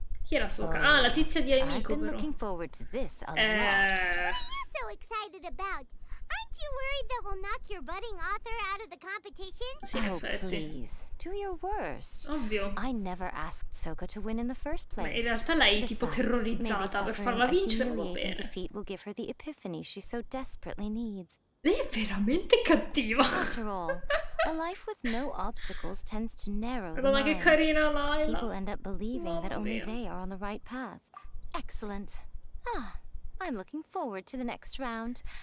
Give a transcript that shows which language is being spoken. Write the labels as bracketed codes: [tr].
[it] Chi era Sokka? Ah, la tizia di Aimiko, però. [en] Looking forward to this a lot. What are you so excited about? Aren't you worried that we'll knock your budding author out of the competition? [it] Sì, [en] oh, please, do your worst. [it] Ovvio. [en] I never asked Sokka to win in the first place. [it] Ma in realtà lei è tipo terrorizzata per farla vincere, va bene. [en] Maybe defeat will give her the epiphany she so desperately needs. [it] Lei è veramente cattiva. [en] After all, a life with no obstacles tends to narrow the mind. [it] Che carina lei. [en] People end up believing that only they are on the right path. Excellent. Ah, I'm looking forward to the next round.